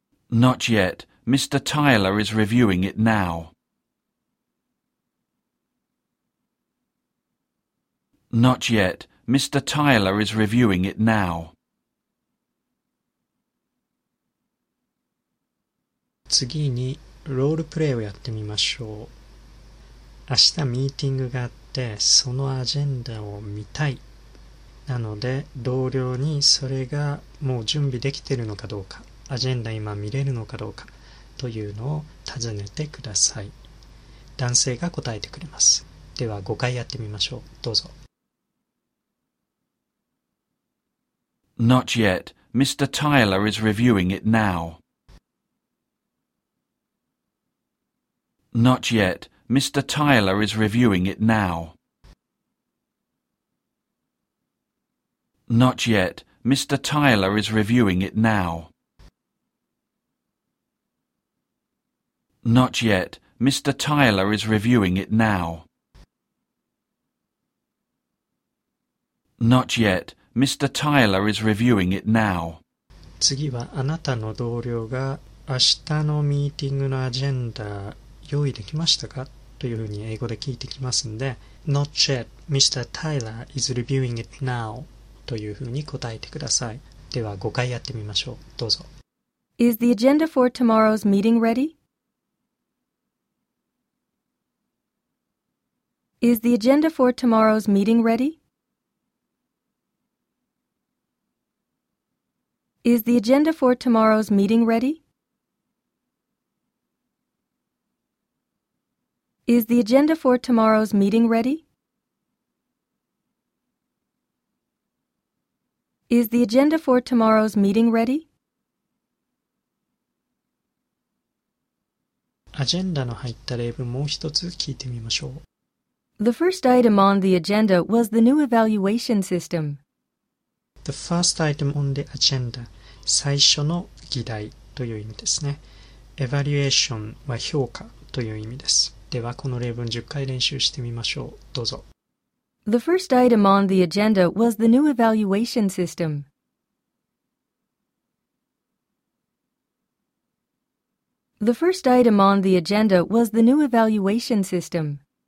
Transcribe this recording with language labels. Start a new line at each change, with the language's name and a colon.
English: Not yet, Mr. Tyler is reviewing it now. Not yet, Mr. Tyler is reviewing it now.
Japanese: 次にロールプレイをやってみましょう。明日ミーティングがあって、そのアジェンダを見たい。なので、同僚にそれがもう準備できてるのかどうか、アジェンダ今見れるのかどうかというのを尋ねてください。男性が答えてくれます。では5回やってみましょう。どうぞ。
English: Not yet, Mr. Tyler is reviewing it now. Not yet, Mr. Tyler is reviewing it now. Not yet, Mr. Tyler is reviewing it now. Not yet, Mr. Tyler is reviewing it now. Not yet. Mr. Tyler is reviewing it now.
Japanese: 次はあなたの同僚が明日のミーティングのアジェンダ用意できましたかというふうに英語で聞いてきますので
English: Not yet, Mr. Tyler is reviewing it now
Japanese: というふうに答えてください。では5回やってみましょう。どうぞ。
English: Is the agenda for tomorrow's meeting ready? Is the agenda for tomorrow's meeting ready? Is the agenda for tomorrow's meeting ready? Is the agenda for tomorrow's meeting ready? Is the agenda for tomorrow's meeting ready?
Japanese: アジェンダの入った例文もう一つ聞いてみましょう。
English: The first item on the agenda was the new evaluation system. The first item on the agenda,
Japanese: 最初の議題という意味ですね。 Evaluation は評価という意味です。ではこの例文10回練習してみましょう。どうぞ。
English: The first item on the agenda was the new evaluation system. The first item on the agenda was the new evaluation system.